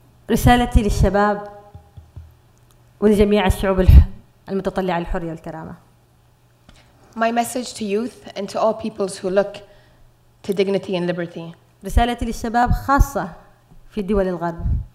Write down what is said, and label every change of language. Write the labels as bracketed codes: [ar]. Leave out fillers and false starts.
[ar] رسالتي للشباب ولجميع الشعوب المتطلعة للحرية والكرامة. [en] My message to youth and to all peoples who look to dignity and liberty. [ar] رسالتي للشباب خاصة في دول الغرب.